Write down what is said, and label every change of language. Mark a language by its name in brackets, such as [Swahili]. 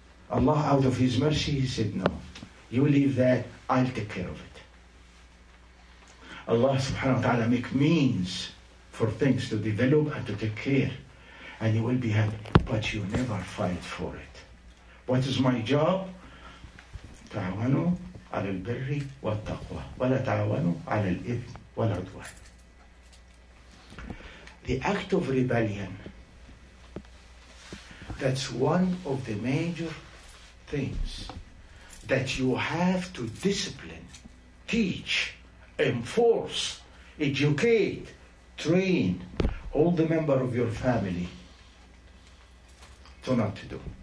[English] Allah, out of His mercy, He said, no. You leave that, I'll take care of it. Allah subhanahu wa ta'ala make means for things to develop and to take care. And you will be happy. But you never fight for it. What is my job? [Arabic] تعاونوا على البر والتقوى ولا تعاونوا على الإثم والعدوان. [English] The act of rebellion, that's one of the major things that you have to discipline, teach, enforce, educate, train all the member of your family to not to do.